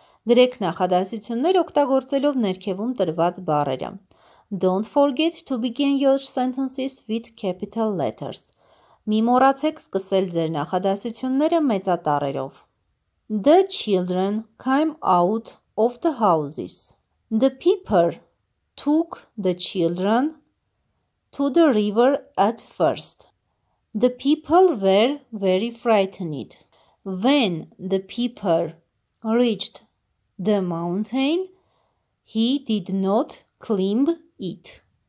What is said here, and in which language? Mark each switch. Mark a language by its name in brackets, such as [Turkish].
[Armenian] Գրեք նախադասություններ օգտագործելով ներքևում տրված բառերը. [English] Don't forget to begin your sentences with capital letters. [Armenian] Մի մոռացեք սկսել ձեր նախադասությունները մեծատառերով. [English] The children came out of the houses. The people took the children to the river at first. The people were very frightened. When the people reached the mountain, he did not climb it.